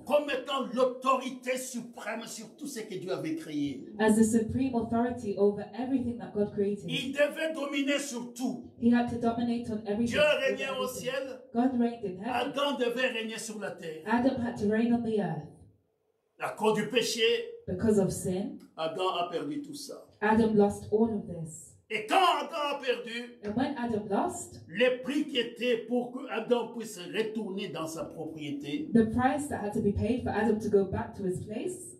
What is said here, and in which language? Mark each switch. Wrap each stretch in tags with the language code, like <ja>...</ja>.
<fr>Comme étant l'autorité suprême sur tout ce que Dieu avait créé.</fr> <en>As the supreme authority over everything that God created.</en> <fr>Il devait dominer sur tout.</fr> <en>He had to dominate on everything.</en> <fr>Dieu régnait au ciel.</fr> <en>God reigned in heaven.</en> <fr>Adam devait régner sur la terre.</fr> <en>Adam had to reign on the earth.</en> <fr>À cause du péché.</fr> <en>Because of sin.</en> <fr>Adam a perdu tout ça.</fr> <en>Adam lost all of this.</en> <fr>Et quand Adam a perdu,</fr> <en>and when Adam lost,</en> <fr>le prix qui était pour que Adam puisse retourner dans sa propriété,</fr> <en>the price that had to be paid for Adam to go back to his place,</en>